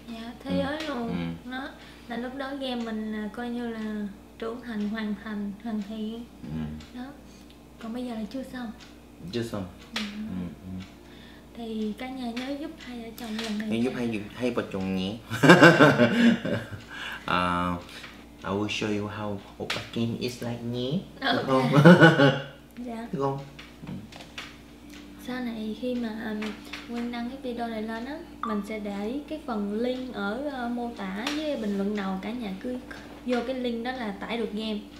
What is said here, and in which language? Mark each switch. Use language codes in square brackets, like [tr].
[vi] Dạ, thế giới luôn. Đó là lúc đó game mình là coi như là trưởng thành, hoàn thành, hoàn thiện. Đó, còn bây giờ là chưa xong. Thì cả nhà nhớ giúp hai vợ chồng lần này, giúp hai vợ chồng nhé. [en] I will show you how a game is like [vi] nhé. Được không? Dạ. Được không? Sau này khi mà Quyên đăng cái video này lên á, mình sẽ để cái phần link ở mô tả với bình luận đầu. Cả nhà cứ vô cái link đó là tải được game.